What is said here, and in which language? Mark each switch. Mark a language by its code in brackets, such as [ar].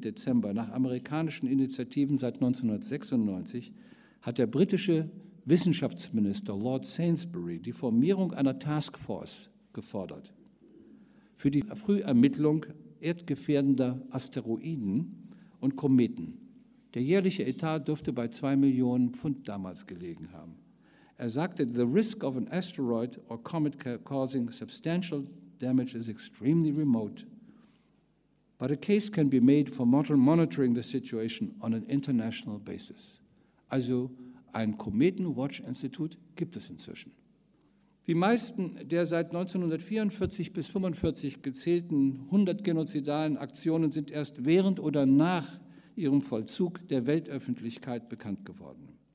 [de] Dezember nach amerikanischen Initiativen seit 1996 hat der britische Wissenschaftsminister Lord Sainsbury die Formierung einer Taskforce gefordert für die Frühermittlung erdgefährdender Asteroiden und Kometen. Der jährliche Etat dürfte bei 2 Millionen Pfund damals gelegen haben. Er sagte, [en] the risk of an asteroid or comet causing substantial damage is extremely remote, but a case can be made for monitoring the situation on an international basis. [de] Also ein Kometen-Watch-Institut gibt es inzwischen. Die meisten der seit 1944 bis 1945 gezählten 100 genozidalen Aktionen sind erst während oder nach ihrem Vollzug der Weltöffentlichkeit bekannt geworden.